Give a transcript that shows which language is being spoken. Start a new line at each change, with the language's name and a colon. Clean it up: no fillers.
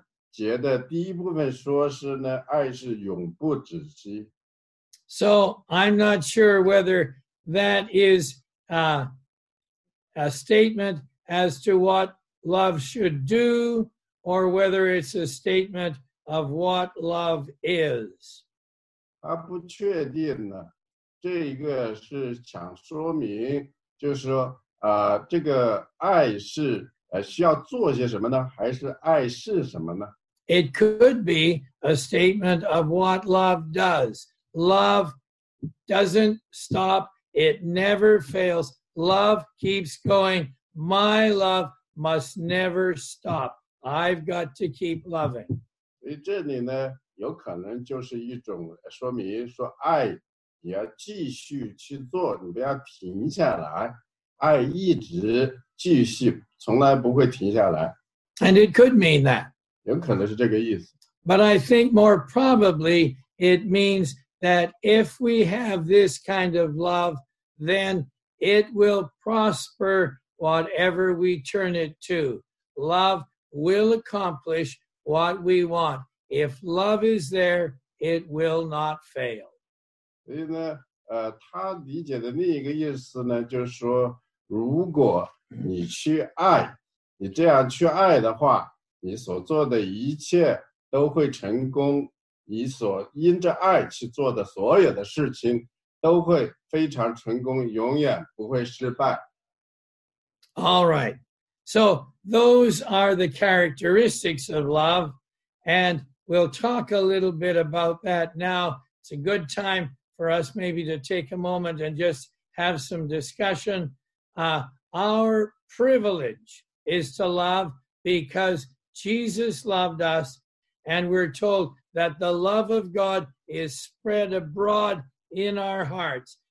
Chinese: 节的第一部分说是呢，爱是永不止息。
English: So I'm not sure whether that is a statement as to what love should do, or whether it's a statement of what love is.
Chinese: 他不确定呢，这个是想说明，就是说，这个爱是需要做些什么呢，还是爱是什么呢？
English: It could be a statement of what love does. Love doesn't stop. It never fails. Love keeps going. My love must never stop. I've got to keep loving.
Chinese: 这里呢，有可能就是一种说明，说爱你要继续去做，你不要停下来。爱一直继续，从来不会停下来。
English: And it could mean that.
Chinese: 有可能是这个意思。
English: But I think more probably it means that if we have this kind of love, then it will prosper whatever we turn it to. Love will accomplish what we want. If love is there, it will not fail.
Chinese: 所以呢，他理解的另一个意思呢，就是说，如果你去爱，你这样去爱的话，你所做的一切都会成功，你所因着爱去做的所有的事情都会非常成功，永远不会失败。
English: All right. So those are the characteristics of love, and we'll talk a little bit about that now. It's a good time for us maybe to take a moment and just have some discussion. Our privilege is to love because Jesus loved us, and we're told that the love of God is spread abroad in our hearts.